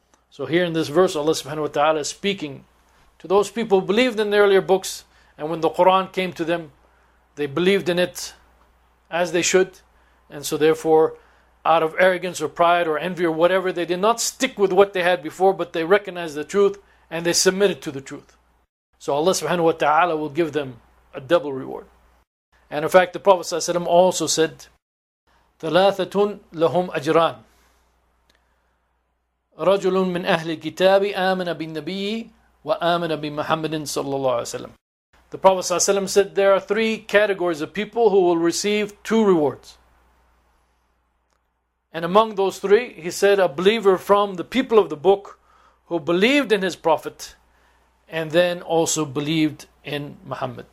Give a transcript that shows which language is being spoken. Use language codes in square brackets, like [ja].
[en] So here in this verse, Allah subhanahu wa ta'ala is speaking to those people who believed in the earlier books, and when the Quran came to them, they believed in it as they should. And so therefore, out of arrogance or pride or envy or whatever, they did not stick with what they had before, but they recognized the truth and they submitted to the truth. So Allah subhanahu wa ta'ala will give them a double reward. [ar] And in fact, the Prophet sallallahu alayhi wa sallam also said, ثَلَاثَةٌ لَهُمْ أَجْرَانٌ رَجُلٌ مِّنْ أَهْلِ الْكِتَابِ آمَنَ بِالنَّبِيِّ وَآمَنَ بِمُحَمَّدٍ صَلَّى اللَّهُ عَلَيْهِ وَسَلَّمَ. [en] The Prophet sallallahu alayhi wa sallam said, there are three categories of people who will receive two rewards. And among those three, he said, a believer from the people of the book who believed in his prophet and then also believed in Muhammad.